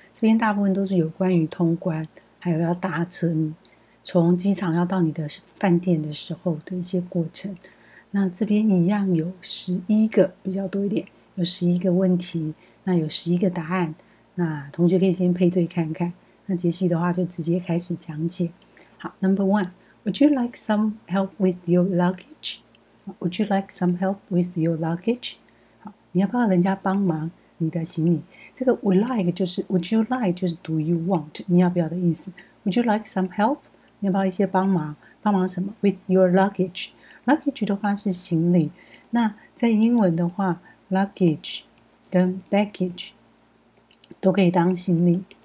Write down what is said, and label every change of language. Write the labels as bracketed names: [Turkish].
[Chinese] 这边大部分都是有关于通关，还有要搭车，从机场要到你的饭店的时候的一些过程。那这边一样有11个，比较多一点，有11个问题，那有11个答案。那同学可以先配对看看。那杰西的话就直接开始讲解。 [English] 好，Number One，Would you like some help with your luggage？ Would you like some help with your luggage？ [Chinese] 好，你要不要人家帮忙你的行李？这个 would like 就是 would you like 就是 do you want 你要不要的意思。 [English] Would you like some help？ [Chinese] 你要不要一些帮忙？帮忙什么？ [English] With your luggage？ [Chinese] luggage 的话是行李。那在英文的话，luggage 跟 baggage 都可以当行李。